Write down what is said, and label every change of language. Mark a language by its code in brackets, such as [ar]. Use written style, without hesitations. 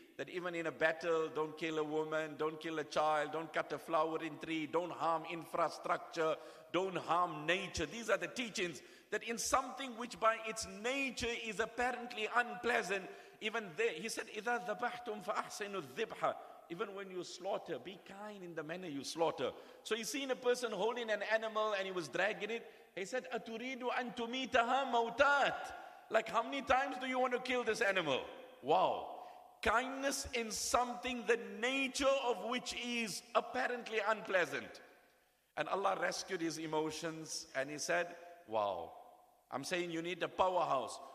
[en] That even in a battle, don't kill a woman, don't kill a child, don't cut a flower in tree, don't harm infrastructure, don't harm nature. These are the teachings. That in something which by its nature is apparently unpleasant, even there, he said, [ar] إِذَا ذَبَحْتُمْ فَأَحْسَنُ الذِّبْحَ. [en] Even when you slaughter, be kind in the manner you slaughter. So he's seen a person holding an animal and he was dragging it. He said, [ar] أَتُرِيدُ أَن تُمِيتَهَا مَوْتَاتْ. [en] Like, how many times do you want to kill this animal? Wow. Kindness in something the nature of which is apparently unpleasant. And Allah rescued his emotions and he said, wow. I'm saying you need a powerhouse.